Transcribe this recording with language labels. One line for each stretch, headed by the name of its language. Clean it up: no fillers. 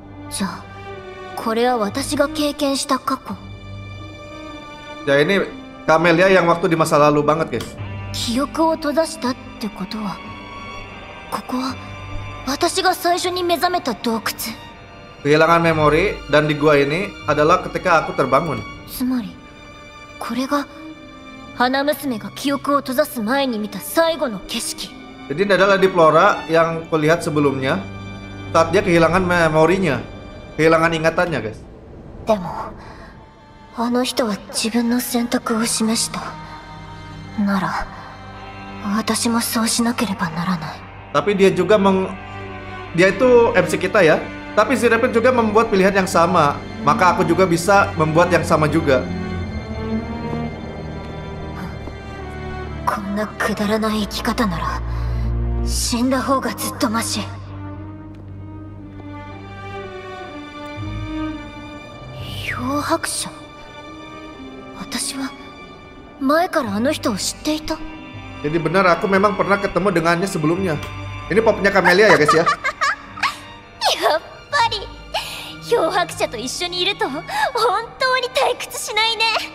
Japanese: じゃあ、これは私が経験した過去。
Indonesian: じゃあ、ini Camelia yang waktu di masa lalu banget, guys.
Japanese: 記憶を閉ざしたってことは、ここは私が最初に目覚めた洞窟。
Indonesian: Kehilangan memori dan di gua ini adalah ketika aku terbangun.
Japanese: つまり、これが花娘が記憶を閉ざす前に見た最後の景色。
Indonesian: Jadi ini adalah di Flora yang kulihat sebelumnya saat dia kehilangan memorinya, kehilangan ingatannya, guys.
Japanese: でも、あの人は自分の選択を示した。なら、私もそうしなければならない。
Indonesian: Tapi dia juga dia itu MC kita ya. Tapi Zirapir juga membuat pilihan yang sama, maka aku juga bisa membuat yang sama juga.
Japanese: くだらない生き方なら死んだ方がずっとマシ。漂白者、私は前からあの人を知っていた。
Indonesian: Jadi benar, aku memang pernah ketemu dengannya sebelumnya. Ini popnya Camelia ya, guys ya.
Japanese: やっぱり漂白者と一緒にいると本当に退屈しないね。